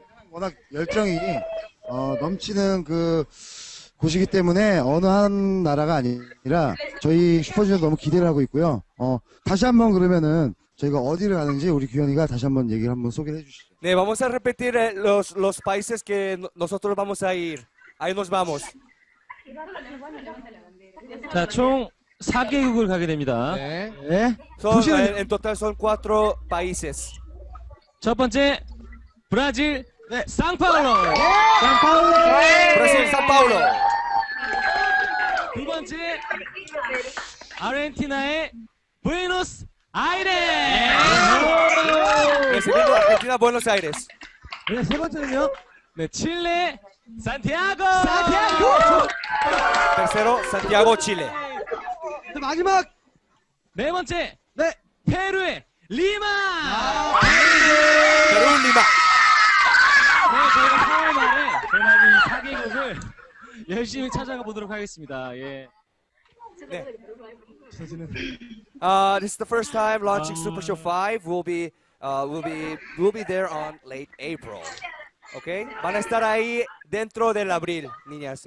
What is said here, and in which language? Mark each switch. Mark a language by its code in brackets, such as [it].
[ko] 워낙 열정이 넘치는 그 곳이기 때문에 어느 한 나라가 아니라 저희 슈퍼주니어 너무 기대를 하고 있고요. 다시 한번 그러면은 저희가 어디를 가는지 우리 규현이가 다시 한번 얘기를 한번 소개해 주시죠. [es] 네, vamos a repetir los países que nosotros vamos a ir. Ahí nos vamos. [ko] 자, 총 4개국을 가게 됩니다. 네. 네. [es] So, 도시는 en total son 4 países. [ko] 첫 번째 브라질 네. 상파울로. 상파울로. 브라질 상파울로. 두 번째 아르헨티나의 부에노스 아이레스. [es] 네, segundo Argentina Buenos Aires. [ko] 네, 세 번째는요. 네, 칠레 산티아고! 산티아고! 3번째로 산티아고 칠레. 네, 마지막 네 번째. 네. 페루의 리마. 페루 리마. 네, 저희가 3월 말에 저희가 이 4개국을 열심히 찾아가 보도록 하겠습니다. 예. 네. [en] This is the first time launching Super Show 5. We'll be there on late April. [es] Okay, van a estar ahí dentro del abril, niñas.